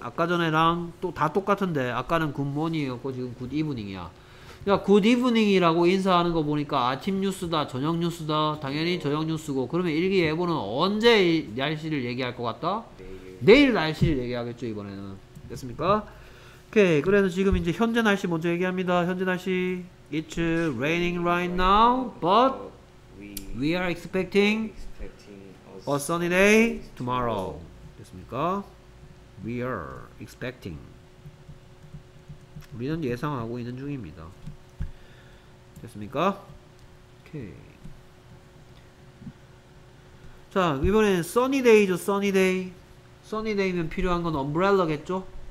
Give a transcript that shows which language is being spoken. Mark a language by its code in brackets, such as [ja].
[ko] 아까 전에랑 또 다 똑같은데 아까는 굿모닝이었고 지금 굿이브닝이야. 야, 굿이브닝이라고 인사하는 거 보니까 아침 뉴스다, 저녁 뉴스다. 당연히 저녁 뉴스고. 그러면 일기 예보는 언제 날씨를 얘기할 것 같다? 내일 날씨를 얘기하겠죠, 이번에는. 됐습니까? 오케이, 그래서 지금 이제 현재 날씨 먼저 얘기합니다. 현재 날씨 [en] It's raining right now, but we are expecting a sunny day tomorrow. [ko] 됐습니까? [en] We are expecting. [ko] 우리는 예상하고 있는 중입니다. 됐습니까? 오케이. 자, 이번에는 sunny day죠, sunny day. sunny day면 필요한 건 umbrella겠죠?